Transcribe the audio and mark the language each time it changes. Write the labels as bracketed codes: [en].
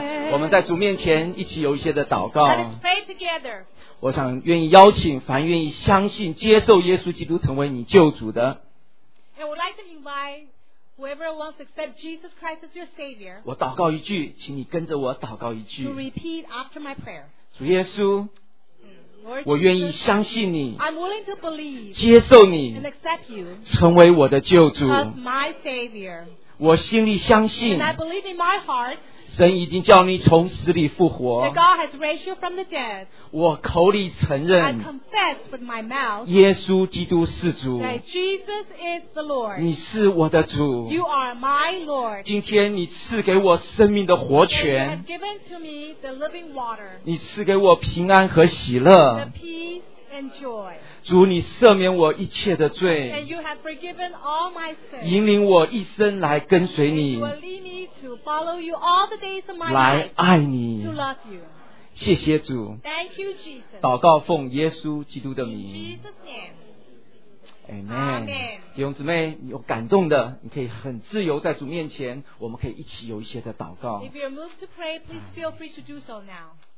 [zh] 我们在主面前一起有一些的祷告。 [en] Let us pray together. [zh] 我想愿意邀请凡愿意相信接受耶稣基督成为你救主的。 [en] I would like to invite whoever wants to accept Jesus Christ as your Savior. [zh] 我祷告一句，请你跟着我祷告一句。 [en] To repeat after my prayer. [zh] 主耶稣。 [en] Jesus, [zh] 我愿意相信你 [en] I'm willing to believe [zh] 接受你 [en] and accept you [zh] 成为我的救主 [en] as my Savior [zh] 我心里相信 [en] and I believe in my heart [zh] 神已经叫你从死里复活 [en] that God has raised you from the dead [zh] 我口里承认 [en] I confess with my mouth [zh] 耶稣基督是主 [en] that Jesus is the Lord [zh] 你是我的主 [en] you are my Lord [zh] 今天你赐给我生命的活泉 [en] you have given to me the living water [zh] 你赐给我平安和喜乐 [en] The peace and joy. [zh] 主你赦免我一切的罪 [en] And you have forgiven all my sins. [zh] 引领我一生来跟随你 [en] You will lead me to follow you all the days of my life. [zh] 来爱你 [en] To love you. [zh] 谢谢主 [en] Thank you, Jesus. [zh] 祷告奉耶稣基督的名 [en] In Jesus' name. Amen. Amen. [zh] 弟兄姊妹你有感动的你可以很自由在主面前我们可以一起有一些的祷告 [en] If you are moved to pray, please feel free to do so now.